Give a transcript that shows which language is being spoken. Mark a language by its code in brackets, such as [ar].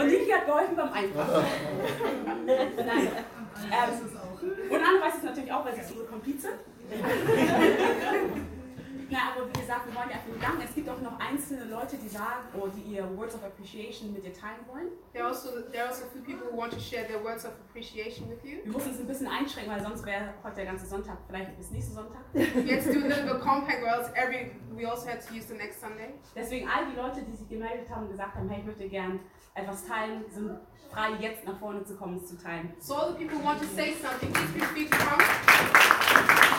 [de] Und Niki hat geholfen beim Einkaufen. Nein. Und Anne weiß es natürlich auch, weil sie ist unsere Komplize. Nein, aber wie gesagt, wir wollen einfach danken. Es gibt auch noch einzelne Leute, die sagen, die ihr [en] Words of Appreciation [de] mit dir teilen wollen. [en] There are also a few people who want to share their Words of Appreciation with you. [de] Wir müssen uns ein bisschen einschränken, weil sonst wäre heute der ganze Sonntag, vielleicht bis nächsten Sonntag. [en] Let's do a little bit compact, or else we also had to use the next Sunday. [de] Deswegen all die Leute, die sich gemeldet haben und gesagt haben, hey, ich möchte gern etwas teilen, sind frei, jetzt nach vorne zu kommen, es zu teilen. [en] So all the people who want to say something, please feel free to come.